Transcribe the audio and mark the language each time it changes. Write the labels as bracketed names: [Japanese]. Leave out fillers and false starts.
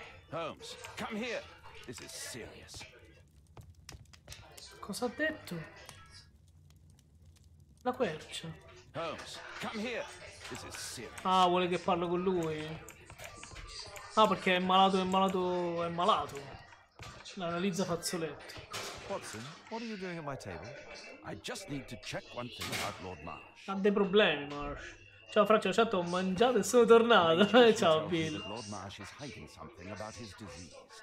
[English] Holmes, come here. This is serious. [Italian] Cosa ha detto? La quercia. [English] Holmes, come here. This is serious. [Italian] Ah, vuole che parlo con lui. Ah, perché è malato, è malato, è malato. L'analizza fazzoletti. [English] Watson, what are you doing at my table? I just need to check one thing about Lord Marsh. [Italian] Ha dei problemi, Marsh. Ciao Francia, certo, ho mangiato e sono tornato. Ciao Bill. [English] Lord Marsh is hiding something about his disease.